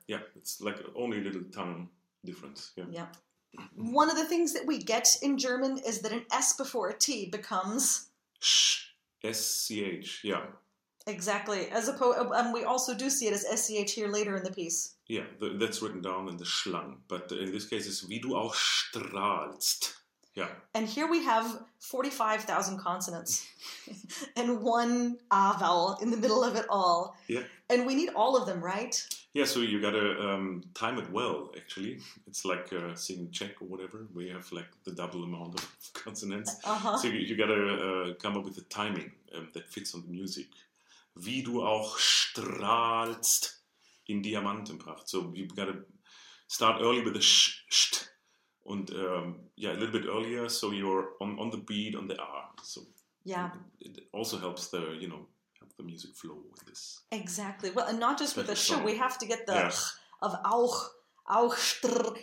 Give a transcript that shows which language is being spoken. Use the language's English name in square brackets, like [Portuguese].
[English] Yeah, it's like only a little tongue difference. Yeah. Yeah. One of the things that we get in German is that an S before a T becomes... Sch. S-C-H, yeah. Exactly. And we also do see it as S-C-H here later in the piece. Yeah, that's written down in the Schlang. But in this case, it's [German] wie du auch strahlst. [English] Yeah. And here we have 45,000 consonants and one A vowel in the middle of it all. Yeah. And we need all of them, right? Yeah, so you got to time it well, actually. It's like singing Czech or whatever. We have like the double amount of consonants. Uh-huh. So you got to come up with the timing that fits on the music. [German] Wie du auch strahlst in Diamantenpracht. [English] So you got to start early with the sht. And a little bit earlier, so you're on the beat on the R. So yeah, it also helps the help the music flow with this. Exactly. Well, and not just with the sh, we have to get the ch of [German] auch str.